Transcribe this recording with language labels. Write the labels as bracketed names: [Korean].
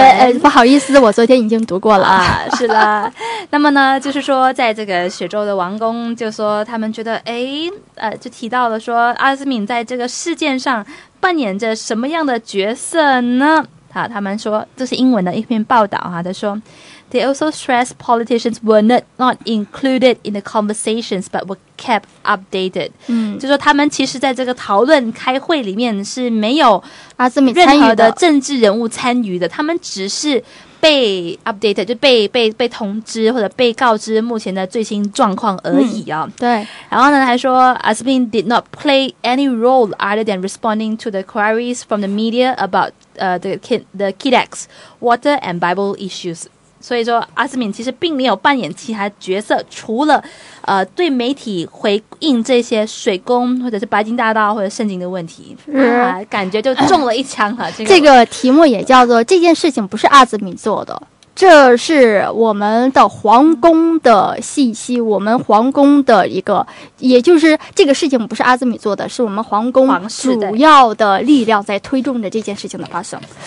[Chinese] 对，不好意思，我昨天已经读过了啊。是的。那么呢，就是说，在这个雪州的王宫，就说他们觉得，哎，就提到了说，阿斯敏在这个事件上扮演着什么样的角色呢？啊，他们说这是英文的一篇报道哈，他说。 [English] They also stressed politicians were not included in the conversations, but were kept updated. [Chinese] 嗯，就说他们其实在这个讨论开会里面是没有阿兹敏参与的政治人物参与的，他们只是被 updated， 就被通知或者被告知目前的最新状况而已啊。嗯、对。然后呢，还说阿兹敏 [English] did not play any role other than responding to the queries from the media about the KEDEX water and Bible issues. [Chinese] 所以说阿斯敏其实并没有扮演其他角色，除了对媒体回应这些水宫或者是白金大道或者圣经的问题、感觉就中了一枪了、这个题目也叫做这件事情不是阿斯敏做的，这是我们的皇宫的信息，我们皇宫的一个，也就是这个事情不是阿兹米做的，是我们皇宫主要的力量在推动着这件事情的发生。